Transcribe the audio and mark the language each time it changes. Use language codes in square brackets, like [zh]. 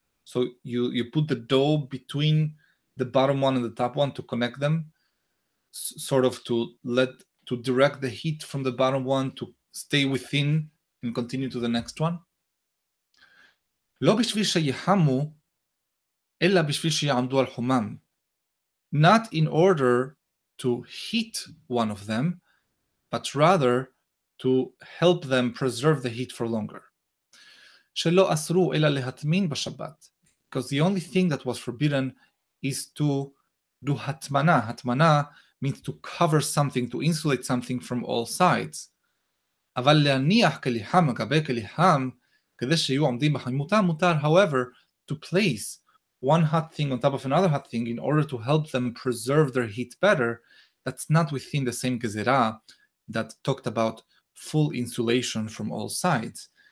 [en] So you put the dough between the bottom one and the top one to connect them, sort of to direct the heat from the bottom one to stay within and continue to the next one. [he] לא בשביל שיחמו, אלא בשביל שיעמדו על חומם. [en] Not in order to heat one of them, but rather to help them preserve the heat for longer. [he] שלא אסרו אלא להטמין בשבת. [en] Because the only thing that was forbidden is to do הטמנה. הטמנה means to cover something, to insulate something from all sides. [he] אבל להניח כליחם, מגבי כליחם, [en] however, to place one hot thing on top of another hot thing in order to help them preserve their heat better, that's not within the same gezera that talked about full insulation from all sides.